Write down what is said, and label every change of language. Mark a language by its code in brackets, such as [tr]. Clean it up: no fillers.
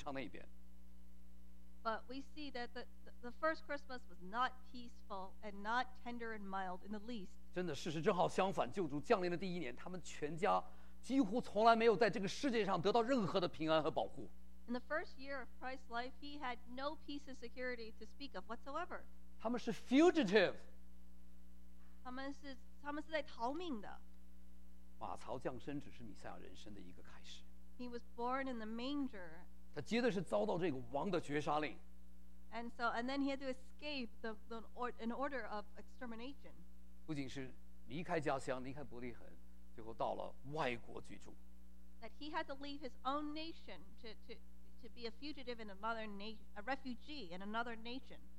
[zh] 但是你看今天这个马太福音第二章真正圣诞节的描写的时候，你发现很不一样，对不对？我不说我们不唱圣诞夜哈，不要搞错哈，我们可能只唱一边，不唱那一边。 [en] But we see that the first Christmas was not peaceful and not tender and mild in the least. [zh] 真的，事实正好相反，救主降临的第一年，他们全家几乎从来没有在这个世界上得到任何的平安和保护。 [en] In the first year of Christ's life, he had no peace and security to speak of whatsoever. [zh] 他们是 fugitive，他们是在逃命的。马槽降生只是弥赛亚人生的一个开始。 [en] He was born in the manger. [zh] 他接着是遭到这个王的绝杀令。 [en] And so, and then he had to escape an order of extermination. [zh] 不仅是离开家乡，离开伯利恒，最后到了外国居住。 [en] That he had to leave his own nation to be a fugitive in another nation, a refugee in another nation.